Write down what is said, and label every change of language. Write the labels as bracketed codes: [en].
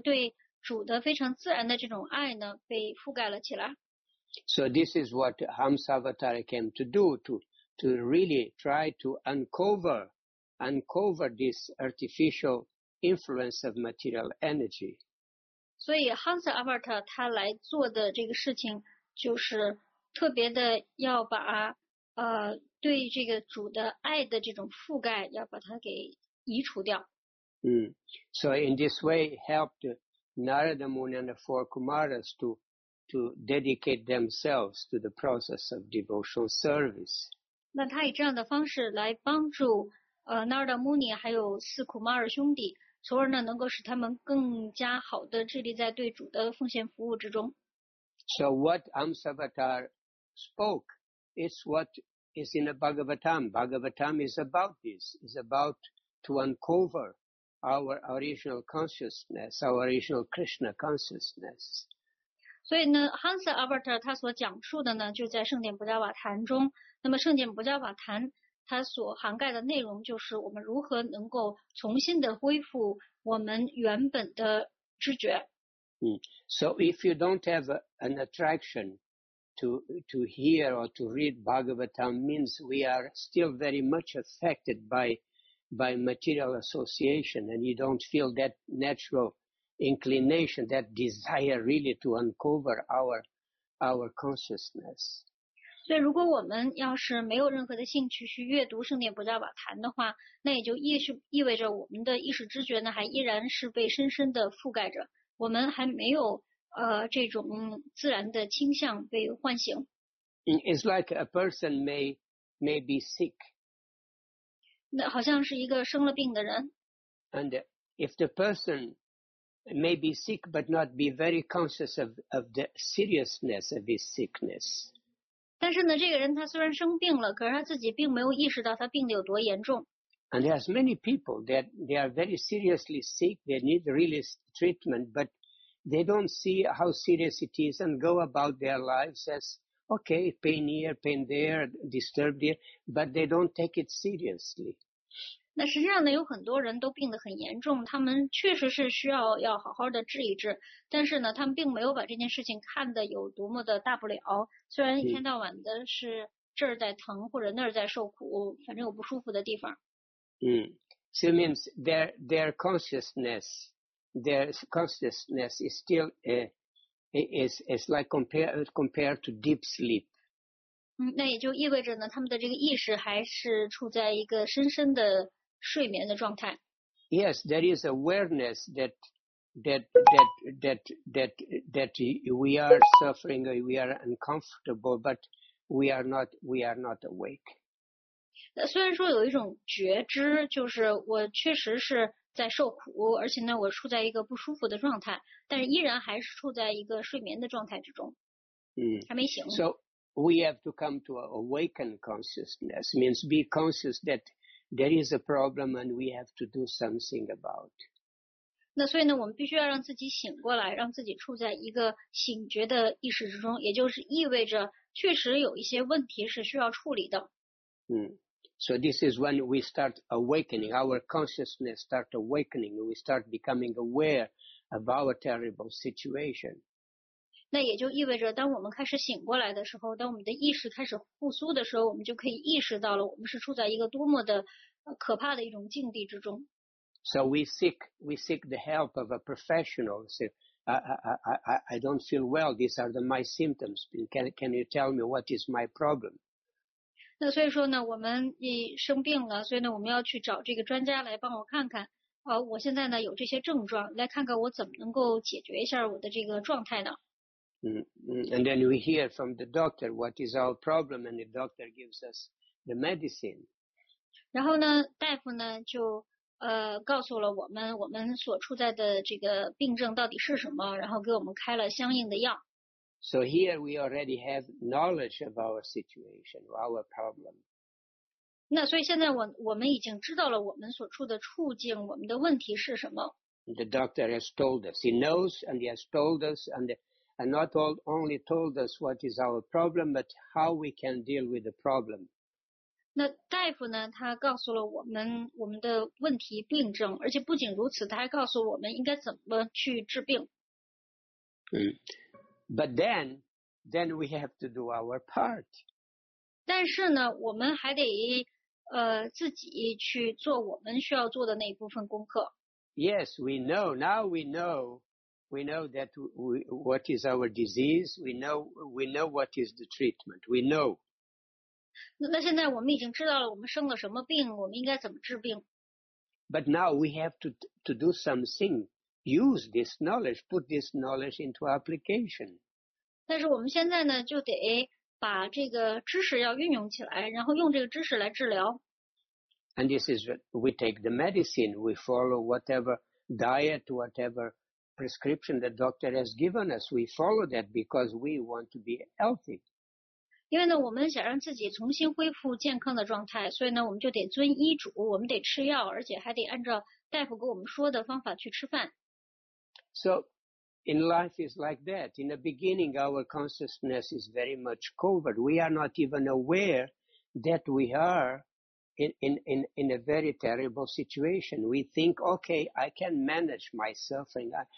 [zh] 但是就是由于物质的涟漪，使得这个对主的非常自然的这种爱呢，被覆盖了起来。 [en] So this is what Hamsa Avatar came to do, to to really try to uncover this artificial influence of material energy. [zh] 所以 Hans Albert 他来做的这个事情就是特别的要把对这个主的爱的这种覆盖要把它给移除掉。 [en] So in this way helped Narada Muni and the four Kumaras to dedicate themselves to the process of devotional service. [zh] 那他以这样的方式来帮助Narada Muni 还有四库马尔兄弟，从而呢能够使他们更加好的致力在对主的奉献服务之中。 [en] So what Amsavatar spoke is what is in the Bhagavatam. Bhagavatam is about this. Is about to uncover. Our original consciousness, our original Krishna consciousness. [zh] 所以呢 ，Hans Albert 他所讲述的呢，就在《圣典不加瓦坛》中。那么，《圣典不加瓦坛》它所涵盖的内容，就是我们如何能够重新的恢复我们原本的知觉。 [en] So if you don't have an attraction to hear or to read Bhagavatam, means we are still very much affected by material association, and you don't feel that natural inclination, that desire really to uncover our consciousness. [zh] 所以如果我们要是没有任何的兴趣去阅读圣典不加瓦坛的话，那也就意味着我们的意识知觉呢还依然是被深深的覆盖着，我们还没有这种自然的倾向被唤醒。 [en] It's like a person may be sick. [zh] 那好像是一个生了病的人。 [en] And if the person may be sick but not be very conscious of the seriousness of his sickness. [zh] 但是呢，这个人他虽然生病了，可是他自己并没有意识到他病得有多严重。 [en] And there are many people that they are very seriously sick, they need really treatment, but they don't see how serious it is and go about their lives as. Okay, pain here, pain there, disturbed here, but they don't take it seriously. [zh] 那实际上呢，有很多人都病得很严重，他们确实是需要好好的治一治，但是呢，他们并没有把这件事情看得有多么的大不了。虽然一天到晚的是这儿在疼或者那儿在受苦，反正有不舒服的地方。 [en] So it means their consciousness is still It's like compared to deep sleep. [zh] 那也就意味着呢，他们的这个意识还是处在一个深深的睡眠的状态。 [en] Yes, there is awareness that we are suffering, we are uncomfortable, but we are not awake. [zh] 那虽然说有一种觉知，就是我确实是。在受苦，而且呢，我处在一个不舒服的状态，但是依然还是处在一个睡眠的状态之中，还没醒。 [en] So we have to come to an awakened consciousness, means be conscious that there is a problem and we have to do something about. [zh] 那所以呢，我们必须要让自己醒过来，让自己处在一个醒觉的意识之中，也就是意味着确实有一些问题是需要处理的。 [en] So this is when we start awakening, our consciousness start awakening, we start becoming aware of our terrible situation. [zh] 那也就意味着当我们开始醒过来的时候，当我们的意识开始复苏的时候，我们就可以意识到了我们是处在一个多么的可怕的一种境地之中。 [en] So we seek the help of a professional, say, I don't feel well, these are my symptoms, can you tell me what is my problem? [zh] 那所以说呢，我们也生病了，所以呢，我们要去找这个专家来帮我看看。我现在呢有这些症状，来看看我怎么能够解决一下我的这个状态呢？ [en] And then we hear from the doctor what is our problem, and the doctor gives us the medicine. [zh] 然后呢，大夫呢就告诉了我们所处在的这个病症到底是什么，然后给我们开了相应的药。 [en] So here we already have knowledge of our situation, our problem. [zh] 那所以现在我们已经知道了我们所处的处境，我们的问题是什么。 [en] The doctor has told us. He knows and he has told us and not only told us what is our problem, but how we can deal with the problem. [zh] 那大夫呢，他告诉了我们的问题病症，而且不仅如此，他还告诉我们应该怎么去治病。 [en] But then we have to do our part. [zh] 但是呢我们还得自己去做我们需要做的那一部分功课。 [en] Yes, we know. Now we know. We know that what is our disease. We know what is the treatment. We know. [zh] 那现在我们已经知道了我们生了什么病，我们应该怎么治病。 [en] But now we have to do something. Use this knowledge. Put this knowledge into application. [zh] 但是我们现在呢，就得把这个知识要运用起来，然后用这个知识来治疗。 [en] And this is we take the medicine, we follow whatever diet, whatever prescription the doctor has given us. We follow that because we want to be healthy. [zh] 因为呢，我们想让自己重新恢复健康的状态，所以呢，我们就得遵医嘱，我们得吃药，而且还得按照大夫给我们说的方法去吃饭。 [en] So. In life is like that. In the beginning, our consciousness is very much covered. We are not even aware that we are in a very terrible situation. We think, okay, I can manage my suffering.